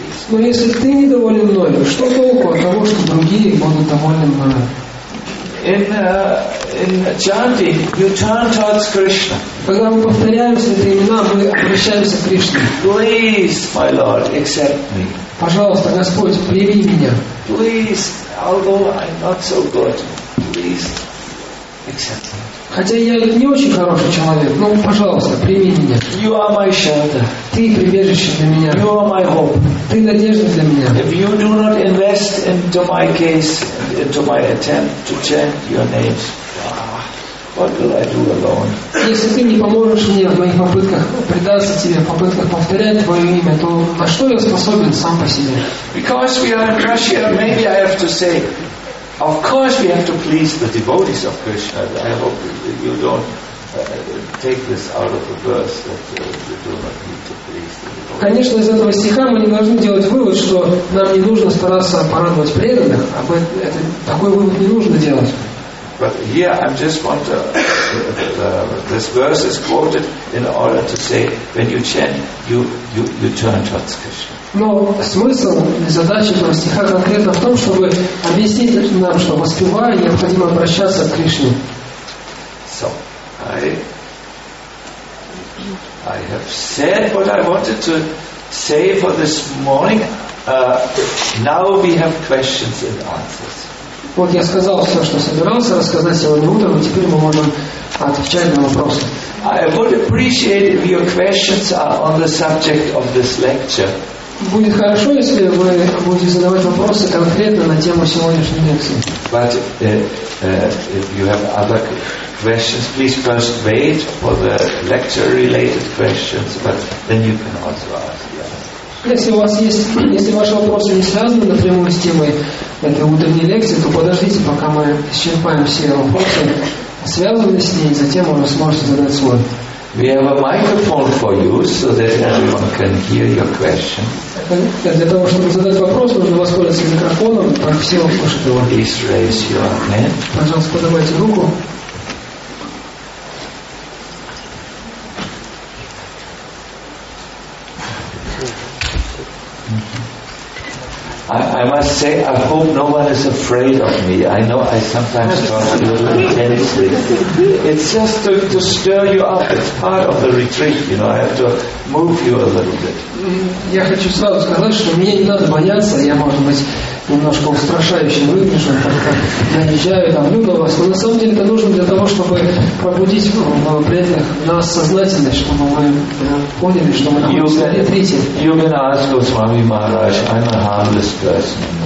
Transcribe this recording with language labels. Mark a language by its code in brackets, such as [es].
[ru] Но если ты недоволен мною, что толку от того, что другие будут довольны мною? [en] In chanting, you turn towards Krishna. [ru] Когда мы повторяем святые имена, мы обращаемся к Кришне. [en] Please, my Lord, accept me. [ru] Пожалуйста, Господь, прими меня. [en] Please, although I'm not so good, please accept me. [ru] Хотя я не очень хороший человек, но, пожалуйста, прими меня. [en] You are my shelter. [ru] Ты прибежище для меня. [en] You are my hope. [ru] Ты надежда для меня. [en] If you do not invest into my case, into my attempt to chant your names, what will I do alone? [ru] Если ты не поможешь мне в моих попытках предаться тебе, в попытках повторять твое имя, то на что я способен сам по себе? [en] Because we are in Russia, maybe I have to say. Of course we have to please the devotees of Krishna. I hope you don't take this out of the verse that you do not need to please the devotees. [ru] Конечно, из этого стиха мы не должны делать вывод, что нам не нужно стараться порадовать преданных. Об этом такой вывод не нужно делать. [en] But here I just want to this verse is quoted in order to say when you chant you turn towards Krishna. [ru] Но смысл и задача этого стиха конкретно в том, чтобы объяснить нам, что воспевая, необходимо обращаться к Кришне. [en] So, I have said what I wanted to say for this morning. Now we have questions and answers. [ru] Вот я сказал все, что собирался рассказать сегодня утром, и теперь мы можем отвечать на вопросы. [en] I would appreciate if your questions are on the subject of this lecture. [ru] Будет хорошо, если вы будете задавать вопросы конкретно на тему сегодняшней лекции. [en] But if you have other questions, please first wait for the lecture-related questions, but then you can also ask. Yeah. [ru] Если ваши вопросы не связаны напрямую с темой этой утренней лекции, то подождите, пока мы исчерпаем все вопросы, связанные с ней, затем вы сможете задать свой. [en] We have a microphone for you so that everyone can hear your question. [ru] Для того, чтобы задать вопрос, нужно воспользоваться микрофоном, чтобы все услышали. [en] Please raise your hand. [ru] Пожалуйста, поднимайте руку. [en] I must say, I hope no one is afraid of me. I know I sometimes talk a little intensely. It's just to stir you up. It's part of the retreat, you know. I have to move you a little bit. [ru] Я хочу сразу сказать, что мне не надо бояться. Я, может быть, немножко устрашающим выгляжу, когда наезжаю там люблю вас. Но на самом деле это нужно для того, чтобы пробудить преданных нас сознательность, чтобы мы поняли, что мы находимся на ретрите. [en] You can ask Госвами Махарадж, I'm a harmless person.